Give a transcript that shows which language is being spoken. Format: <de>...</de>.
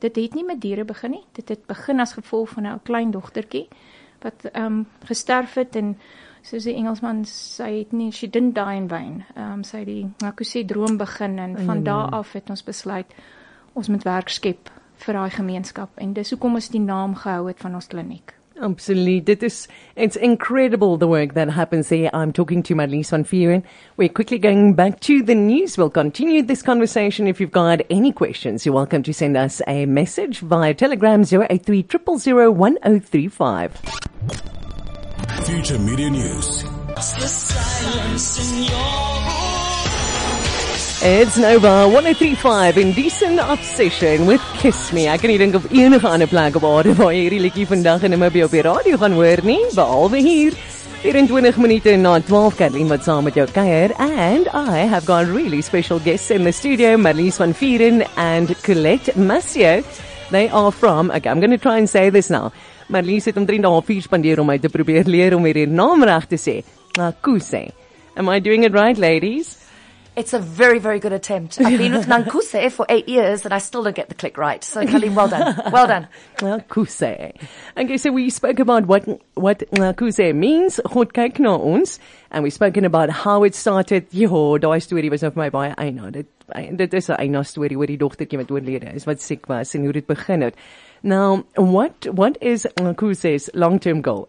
<af>Dit het nie met diere begin nie, dit het begin as gevolg van 'n klein dochterkie, wat gesterf het, en soos die Engelsman, sy het nie,</af> <en>she didn't die in vain,</en> <af>sy het die Nankuse droom begin, en van daar af het ons besluit, ons moet werk skep vir die gemeenskap, en dis hoekom ons die naam gehou het van ons kliniek.</af> <en>Absolutely. This is, it's incredible the work that happens here. I'm talking to Marlies van Vieren. We're quickly going back to the news. We'll continue this conversation. If you've got any questions, you're welcome to send us a message via Telegram 083-000-1035. Future Media News. It's the silence in your voice. It's Nova 103.5 in Decent Obsession with Kiss Me.</en> <af>Ek kan nie dink of enige ander plek op aarde waar jy hierdie liedjie vandag en Namibia op die radio gaan hoor nie, behalwe hier. 24 minute na 12, Karleen wat saam met jou kuier,</af> <en>and I have got really special guests in the studio, Marlies van Vieren and Colette Massieu. They are from, okay, I'm going to try and say this now,</en> <af>Marlies het omtrent 3.5 uur spandeer om my te probeer leer om hier die naam reg te sê,</af> <en>Nankuse. Am I doing it right, ladies? It's a very, very good attempt. I've been with Nankuse for 8 years and I still don't get the click right. So, Kalim, well done. Well done. Nankuse. Okay, so we spoke about what Nankuse means.</en> <af>God kyk na ons.</af> <en>And we've spoken about how it started.</en> <af>Jo, daai story was nou vir my baie eina. Dit is 'n eina storie oor die dogtertjie wat oorlede is, wat siek was en hoe dit begin het.</af> <en>Now, what is Nankuse's long-term goal?</en>